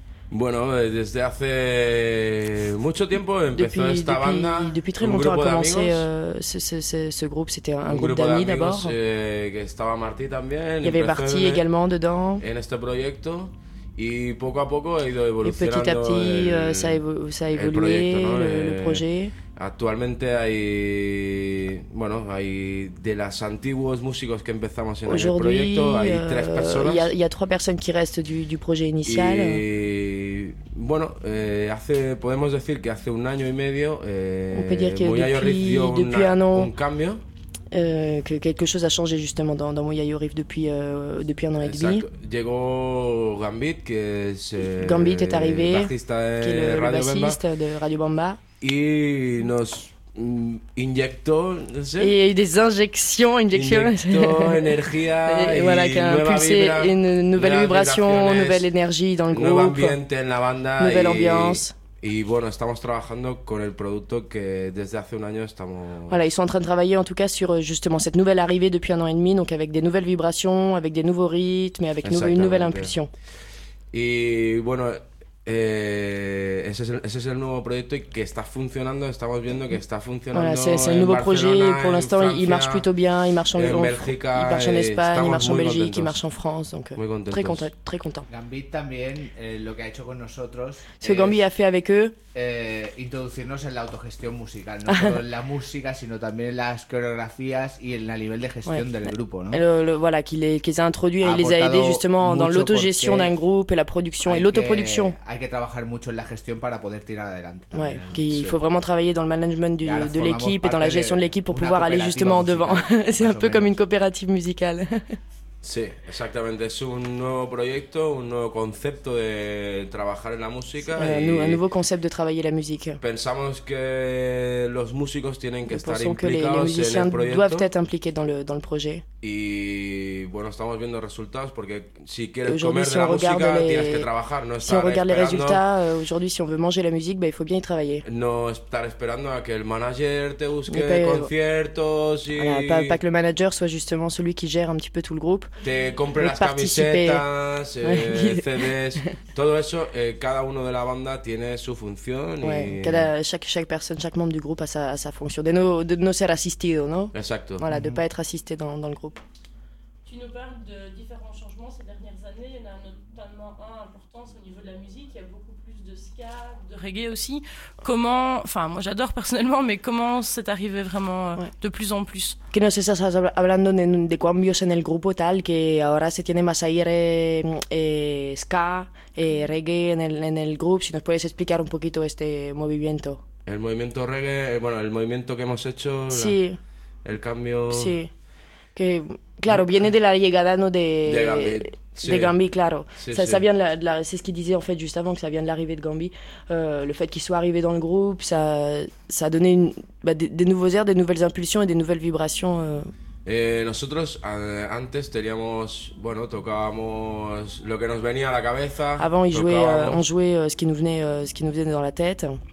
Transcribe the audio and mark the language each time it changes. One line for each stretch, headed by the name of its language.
Spanish: Bueno, desde hace mucho tiempo empezó esta banda.
French: Depuis très longtemps a commencé ce groupe. C'était un groupe d'amis d'abord.
Spanish: Que estaba Martí también.
French: Il y avait Martí également dedans.
Spanish: En este proyecto. Y poco a poco ha ido evolucionando.
French: Y petit a petit, ça a évolué, le projet.
Spanish: Actualmente hay de los antiguos músicos que empezamos en
French: Aujourd'hui,
Spanish: el proyecto, hay tres personas. Y hay tres personas que restan del proyecto inicial. Y bueno, podemos decir que hace un año y medio, Mouya Yorif dio un cambio.
French: Que quelque chose a changé justement dans Mouya Yorif depuis un an et demi.
Spanish: Llegó Gambit, que es,
French: Gambit est arrivé, qui est le bassiste de Radio Bamba.
Spanish: Y nos inyectó, no sé.
French: Y des injections.
Spanish: Inyectó energía
French: et voilà,
Spanish: y nueva
French: pulsé
Spanish: vibra,
French: une nouvelle vibration, nouvelle énergie dans le groupe.
Spanish: Nuevo ambiente en la banda.
French: Nouvelle ambiance.
Spanish: Y bueno, estamos trabajando con el producto que desde hace un año estamos...
French: Voilà, ils sont en train de travailler en tout cas sur justement cette nouvelle arrivée depuis un an et demi, donc avec des nouvelles vibrations, avec des nouveaux rythmes et avec une nouvelle impulsion.
Spanish: Y bueno... ese es el nuevo proyecto que está funcionando, estamos viendo que está funcionando.
French: Voilà, c'est le nouveau projet, pour l'instant il marche plutôt bien, il marche en Espagne, il marche en Belgique,
Spanish: contentos.
French: Il marche en France, donc très content.
Spanish: Gambit también, lo que ha hecho con nosotros.
French: Ce que Gambit a fait avec eux.
Spanish: Introducirnos en la autogestión musical, no solo en la música, sino también en las coreografías y en el nivel de gestión del grupo, ¿no?
French: Voilà, qu'ils ha introduit y les a aidé justement dans l'autogestion d'un groupe et la production et l'autoproduction.
Spanish: Hay que trabajar mucho en la gestión para poder tirar adelante.
French: Ouais, qu'il faut vraiment travailler dans le management de l'équipe et dans la gestion de l'équipe pour pouvoir aller justement en devant. C'est un peu comme une coopérative musicale.
Spanish: Sí, exactamente. Es un nuevo proyecto, un nuevo concepto de trabajar en la música. Un nuevo concepto de trabajar la música. Pensamos que los músicos tienen que estar implicados que
French: les musiciens
Spanish: en el proyecto.
French: Doivent être impliqués dans le projet.
Spanish: Y bueno, estamos viendo resultados porque si quieres comer de la música, tienes que trabajar. No estar
French: si on regarde les résultats, aujourd'hui, si on veut manger la musique, il faut bien y travailler.
Spanish: No estar esperando a que el manager te busque conciertos y...
French: Voilà, pas que le manager soit justement celui qui gère un petit peu tout le groupe.
Spanish: Te compre las camisetas, CDs, todo eso, cada uno de la banda tiene su función.
French: Chaque personne, chaque membre du groupe a sa fonction,
Spanish: de no ser asistido, ¿no? Exacto.
French: Voilà, de pas être assisté dans le groupe. Tu nous parles de différents changements ces dernières années, il y en a notamment un important, c'est au niveau de la musique, il y a beaucoup plus de ska, de reggae aussi. Comment, enfin moi j'adore personnellement, mais comment c'est arrivé vraiment de plus en plus?
Spanish: Que no sé si estás hablando de cambios en el grupo tal, que ahora se tiene más aire ska y reggae en el grupo. Si nos puedes explicar un poquito este movimiento. El movimiento reggae, bueno, el movimiento que hemos hecho, el cambio... Sí, que claro, viene de la llegada, ¿no? De Gambit, claro.
French: Sí, ça vient de la, c'est ce qu'il disait en fait juste avant, que ça vient de l'arrivée de Gambit. Le fait qu'il soit arrivé dans le groupe, ça a donné des nouveaux airs, des nouvelles impulsions et des nouvelles vibrations.
Spanish: Nosotros antes teníamos, bueno, tocábamos lo que nos venía a la cabeza.
French: Avant, on jouait ce qui nous venait dans la tête.